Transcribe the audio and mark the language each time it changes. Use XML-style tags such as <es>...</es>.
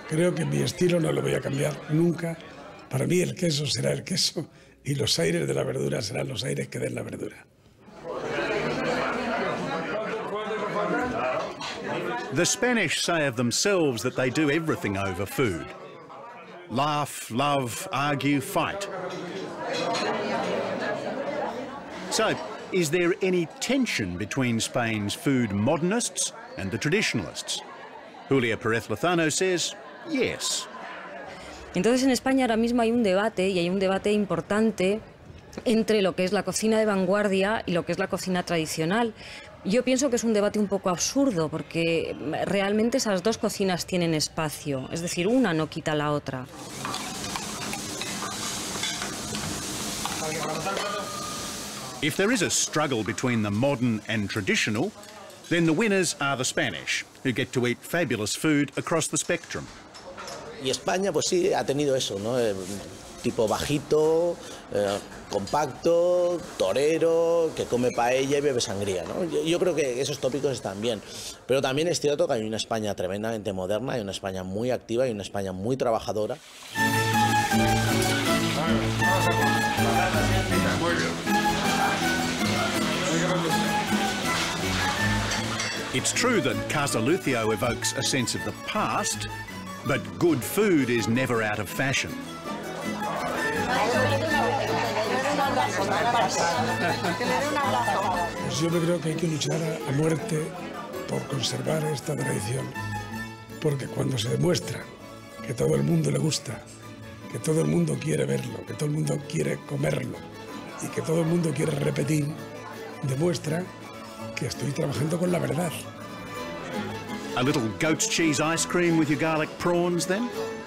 <es>Creo que mi estilo no lo voy a cambiar nunca. Para mí el queso será el queso y los aires de la verdura serán los aires que den la verdura.</es> <en>The Spanish say of themselves that they do everything over food. Laugh, love, argue, fight. So, is there any tension between Spain's food modernists and the traditionalists? Julia Pérez Lozano says, yes.</en> <es>Entonces en España ahora mismo hay un debate, y hay un debate importante entre lo que es la cocina de vanguardia y lo que es la cocina tradicional. Yo pienso que es un debate un poco absurdo, porque realmente esas dos cocinas tienen espacio. Es decir, una no quita la otra.</es> <en>If there is a struggle between the modern and traditional, then the winners are the Spanish, who get to eat fabulous food across the spectrum.</en> <es>Y España, pues sí, ha tenido eso, ¿no? tipo bajito, compacto, torero, que come paella y bebe sangría, ¿no? Yo creo que esos tópicos están bien. Pero también es cierto que hay una España tremendamente moderna, hay una España muy activa, hay una España muy trabajadora.</es> <en>It's true that Casa Lucio evokes a sense of the past, but good food is never out of fashion.</en> <es>Yo me creo que hay que luchar a muerte por conservar esta tradición, porque cuando se demuestra que todo el mundo le gusta, que todo el mundo quiere verlo, que todo el mundo quiere comerlo y que todo el mundo quiere repetir, demuestra que estoy trabajando con la verdad.</es> <en>A little goat's cheese ice cream with your garlic prawns, then?</en>